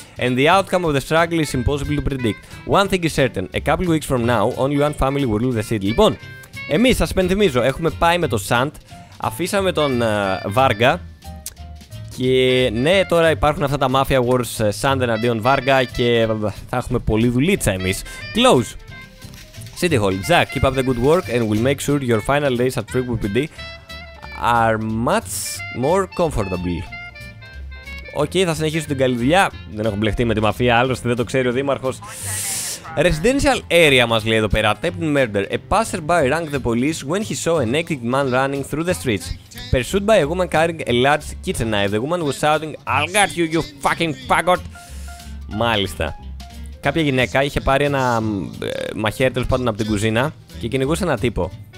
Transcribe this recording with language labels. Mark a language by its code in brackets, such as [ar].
[en] And the outcome of the struggle is impossible to predict. One thing is certain. A couple weeks from now, only one family will lose the city. [el] Λοιπόν, εμείς, σας υπενθυμίζω, έχουμε πάει με τον Σαντ. Αφήσαμε τον Βάργα. Και ναι, τώρα υπάρχουν αυτά τα Mafia Wars Σαντ εναντίον Βάργα και θα έχουμε πολύ δουλίτσα εμείς. [en] Close. City Hall. Jack, keep up the good work and we'll make sure your final days at Freeboot PD are much more comfortable. [el] Okay, θα συνεχίσω την καλή δουλειά. Δεν έχω μπλεχτεί με τη μαφία, άλλωστε δεν το ξέρει ο δήμαρχος. [en] Residential area [el] μας λέει εδώ πέρα. [en] Attempted murder. A passerby rang the police when he saw a naked man running through the streets. Pursued by a woman carrying a large kitchen knife. The woman was shouting, I'll get you, you fucking faggot. [el] Μάλιστα. Κάποια γυναίκα είχε πάρει ένα μαχαίρι τέλος πάντων από την κουζίνα και κυνηγούσε ένα τύπο.